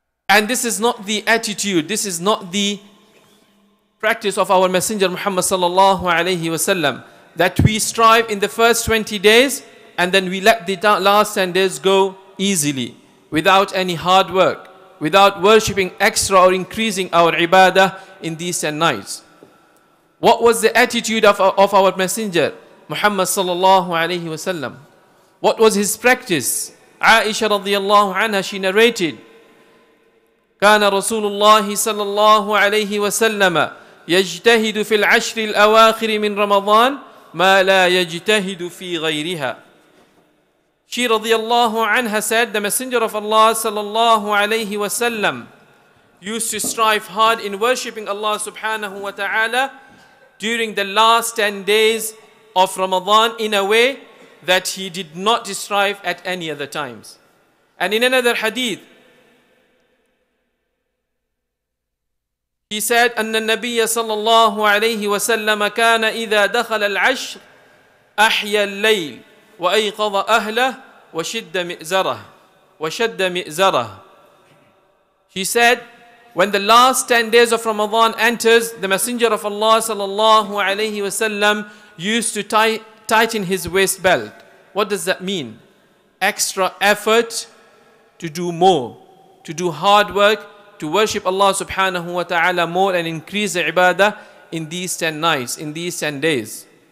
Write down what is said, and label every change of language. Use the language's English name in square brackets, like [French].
[English] And this is not the attitude, this is not the practice of our Messenger Muhammad sallallahu alayhi wa sallam, that we strive in the first 20 days and then we let the last 10 days go easily, without any hard work, without worshipping extra or increasing our ibadah in these 10 nights. What was the attitude of our Messenger Muhammad sallallahu alayhi wa sallam? What was his practice? Aisha radiallahu anha, she narrated, [Arabic] كان رسول الله صلى الله عليه وسلم يجتهد في العشر الأواخر من رمضان ما لا يجتهد في غيرها. [English] She [Arabic] رضي الله عنها [English] said, the Messenger of Allah صلى الله عليه وسلم used to strive hard in worshipping Allah subhanahu wa ta'ala during the last 10 days of Ramadan in a way that he did not strive at any other times. And in another hadith, he said, [Arabic] أن النبي صلى الله عليه وسلم كان إذا دخل العشر أحيا الليل وأيقظ أهله وشد مئزره وشد مئزره. [English] He said, when the last 10 days of Ramadan enters, the Messenger of Allah صلى الله عليه وسلم used to tighten his waist belt. What does that mean? Extra effort to do more, to do hard work, to worship Allah subhanahu wa ta'ala more and increase the ibadah in these 10 nights, in these 10 days.